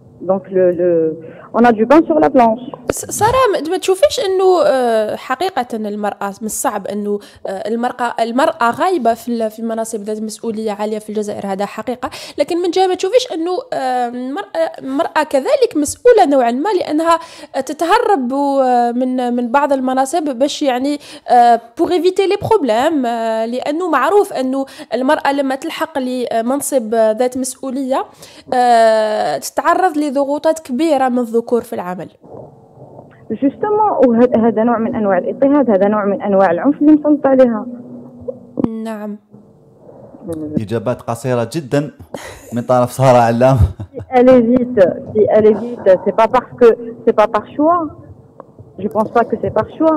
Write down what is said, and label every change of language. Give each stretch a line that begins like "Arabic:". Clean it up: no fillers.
French: Donc le on a du pain sur la planche.
Arabic: Sarah, ما تشوفيش انه حقيقة المرأة من الصعب انه المرأة غايبة في مناصب ذات مسؤولية عالية في الجزائر هذا حقيقة، لكن من جهة ما تشوفيش انه المرأة كذلك مسؤولة نوعا ما لأنها تتهرب من بعض المناصب باش يعني
French: pour éviter les problèmes
Arabic: لأنه معروف انه المرأة لما تلحق لمنصب ذات مسؤولية تتعرض لضغوطات كبيرة من الذكور في العمل. Justement, هذا نوع من انواع الاضطهاد هذا نوع من انواع العنف اللي مسلط عليها نعم اجابات قصيره جدا من طرف سارة علام
French: si elle est vite c'est pas par choix je pense pas que c'est par choix